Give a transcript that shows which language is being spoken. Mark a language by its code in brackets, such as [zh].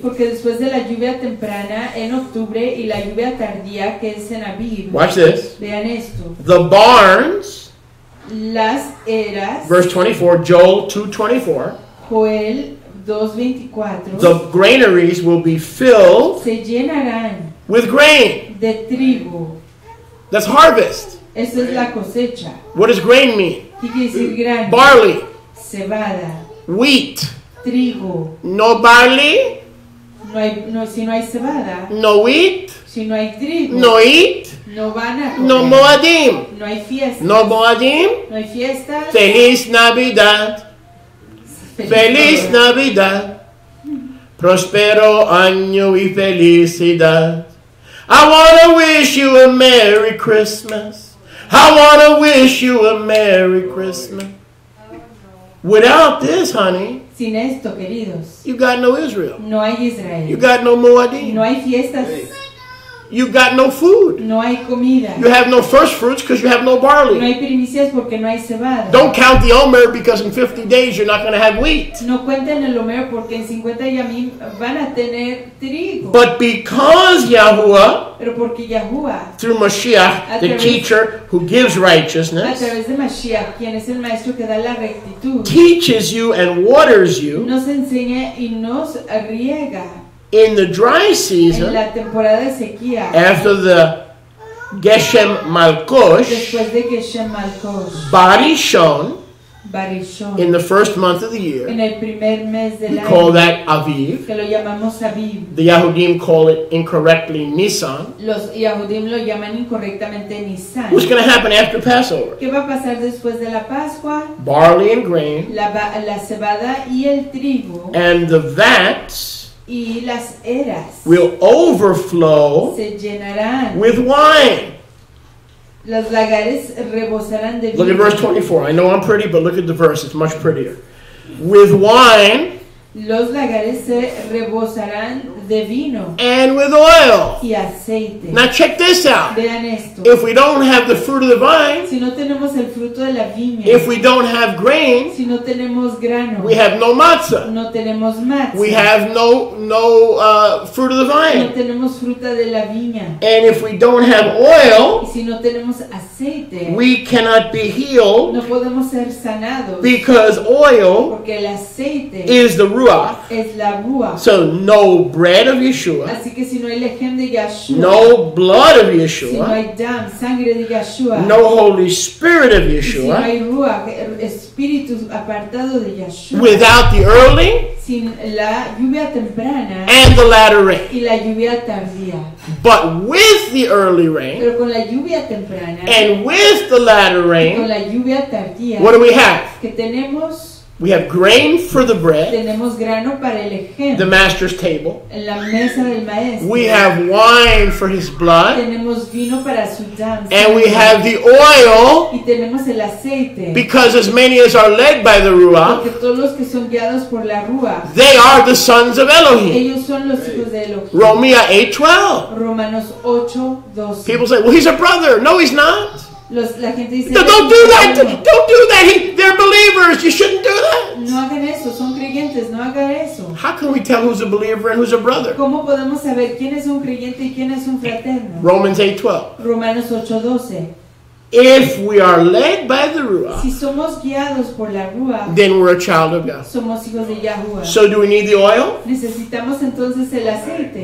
[es] Porque después de la lluvia temprana en octubre y la lluvia tardía que es en Aviv. [en] Watch this. [es] Vean esto. [en] The barns. [es] Las eras. [en] Verse 24, Joel 2:24. [es] Joel 2:24. [en] The granaries will be filled. [es] Se llenarán. [en] With grain. [es] De trigo. [en] That's harvest. [es] Esa es la cosecha. [en] What does grain mean? [es] ¿Qué quiere decir grano? [en] Barley. [es] Cebada. [en] Wheat. [es] Trigo. [en] No barley. [es] No hay cebada. [en] No wheat. [es] Si no hay trigo. [en] No eat. [es] No van a comer. [en] No moadim. [es] No hay fiesta. [en] No moadim. [es] No hay fiesta. Feliz Navidad. Feliz Navidad, prospero año y felicidad. [en] I want to wish you a Merry Christmas. I want to wish you a Merry Christmas. Without this, honey, [es] sin esto, queridos, [en] you got no Israel. [es] No hay Israel. [en] You got no Moadim. [es] No hay fiestas. [en] You've got no food. [es] No hay comida. [en] You have no first fruits because you have no barley. [es] No hay primicias porque no hay cebada. [en] Don't count the omer because in 50 days you're not going to have wheat. [es] No cuenten el omer porque en 50 ya van a tener trigo. [en] But because Yahuwah, [es] pero porque Yahuwah, [en] through Mashiach, the teacher who gives righteousness, [es] a través de Mashiach, quien es el maestro que da la rectitud, [en] teaches you and waters you, [es] nos enseña y nos riega. [en] In the dry season, [es] en la temporada de sequía, [en] after the Geshem Malkosh, [es] después de Geshem Malkosh, [he] Barishon, Barishon, [en] in the first month of the year, [es] en el primer mes del [en] we [es] año, [en] call that Aviv. [es] Que lo llamamos Aviv. [en] The Yahudim call it incorrectly Nisan. [es] Los Yahudim lo llaman incorrectamente Nisan. [en] What's going to happen after Passover? [es] ¿Qué va a pasar después de la Pascua? [en] Barley and grain, [es] la cebada y el trigo, [en] and the vats. [es] Y las eras [en] will overflow, [es] se llenarán [en] with wine. [es] Los lagares rebosarán de vino. [en] Look at verse 24. I know I'm pretty, but look at the verse. It's much prettier. With wine. [es] Los lagares se rebosarán de vino. [en] And with oil. [es] Y aceite. [en] Now check this out. [es] Vean esto. [en] If we don't have the fruit of the vine. [es] Si no tenemos el fruto de la viña. [en] If we don't have grain. [es] Si no tenemos grano. [en] We have no matzah. [es] No tenemos matzah. [en] We have no fruit of the vine. [es] No tenemos fruta de la viña. [en] And if we don't have oil. [es] Y si no tenemos aceite. [en] We cannot be healed. [es] No podemos ser sanados. [en] Because oil. [es] Porque el aceite. [en] Is the ruach. [es] Es la ruach. [en] So no bread of Yeshua. [es] Así que si no hay lejem de Yeshua. [en] No blood of Yeshua. [es] Si no hay dam, sangre de Yeshua. [en] No Holy Spirit of Yeshua. [es] Y si no hay ruach, espíritu apartado de Yeshua. [en] Without the early. [es] Sin la lluvia temprana. [en] And the latter rain. [es] Y la lluvia tardía. [en] But with the early rain. [es] Pero con la lluvia temprana. [en] And with the latter rain. [es] Y con la lluvia tardía. [en] What do we have? [es] Que tenemos. [en] We have grain for the bread. [es] Tenemos grano para el ejem, [en] the master's table. [es] La mesa del maestro. [en] We have wine for his blood. [es] Tenemos vino para su danza, [en] and we have the oil. [es] Y tenemos el aceite, [en] because as many as are led by the ruach, [es] porque todos los que son guiados por la ruach, [en] they are the sons of Elohim. [es] Ellos son los hijos de Elohim. [en] Romans 8:12. [es] Romanos 8:12. [en] People say, well, he's a brother. No, he's not. [es] La gente dice, [en] no, don't do that! Don't do that! They're believers! You shouldn't do that! [es] No hagan eso. Son creyentes. No haga eso. [en] How can we tell who's a believer and who's a brother? [es] ¿Cómo podemos saber quién es un creyente y quién es un fraterno? [en] Romans 8:12. [es] Romanos 8:12. [en] If we are led by the Ruach, [es] si somos guiados por la Ruach, [en] then we're a child of God. [es] Somos hijos de Yahuwah. [en] So do we need the oil? [es] Necesitamos entonces el aceite.